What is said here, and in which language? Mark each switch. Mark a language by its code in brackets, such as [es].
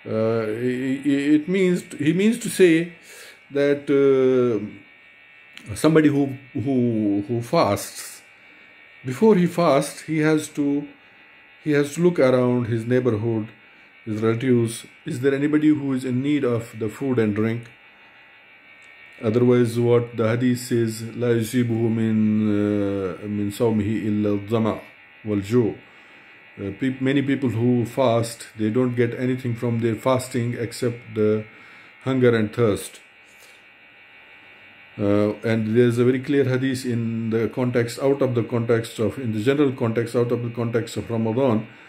[en] He means to say that somebody who fasts, before he fasts, he has to look around his neighborhood. His relatives, is there anybody who is in need of the food and drink? Otherwise, what the hadith says, [ar] لا يصيبه من صومه إلا الظما والجوع. [en] Many people who fast, they don't get anything from their fasting except the hunger and thirst. And there's a very clear hadith in the context, out of the context of, in the general context, out of the context of Ramadan.